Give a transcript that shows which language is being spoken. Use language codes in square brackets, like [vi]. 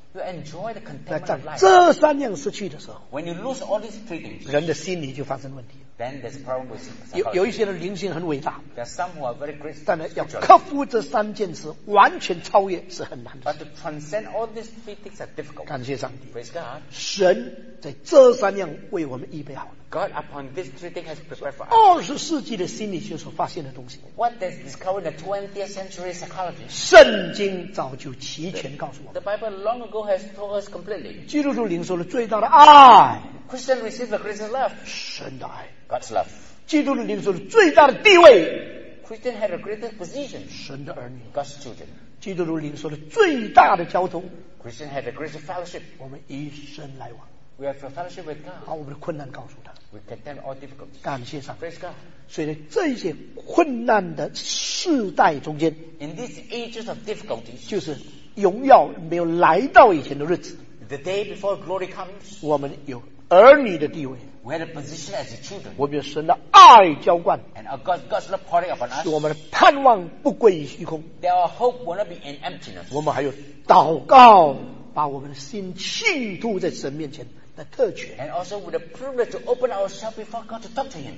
[en] You enjoy the contentment of life. [zh] 这三样失去的时候 [en] When you lose all these three things, [zh] 人的心理就发生问题 [en] Then there's a problem with psychology. [zh] 有一些人灵性很伟大 [en] There are some who are very great [zh] 但要克服这三件事完全超越是很难的 [en] But to transcend all these three things are difficult. [zh] 感谢上帝 [en] Praise God. [zh] 神在这三样为我们预备好了 [en] God upon these three things has prepared for us. [zh] 二十世纪的心理学所发现的东西 [en] What they discovered in the 20th century psychology. [zh] 圣经早就齐全告诉我们 [en] The Bible long ago has told us completely. [zh] 基督徒领受了最大的爱 [en] Christian received the greatest love. [zh] 神的爱 [en] God's love. [zh] 基督徒领受了最大的地位 [en] Christian had the greatest position. [zh] 神的儿女 [en] God's children. [zh] 基督徒领受了最大的交通 [en] Christian had the greatest fellowship. [zh] 我们一生来往 [en] We have a fellowship with God. [zh] 把我们的困难告诉他。 [en] We contain all difficulties. [zh] 感谢上帝。 [en] Praise God. [zh] 所以这些困难的世代中间 [en] ，In these ages of difficulties， [zh] 就是荣耀没有来到以前的日子。 [en] The day before glory comes， [zh] 我们有儿女的地位。 [en] We had a position as a children. [zh] 我们有神的爱浇灌。 [en] And a God's love pouring upon us. [zh] 使我们的盼望不归于虚空。 [en] That our hope will not be in emptiness. [zh] 我们还有祷告，把我们的心倾吐在神面前。的特权。 [en] And also with the privilege to open ourselves before God to talk to Him.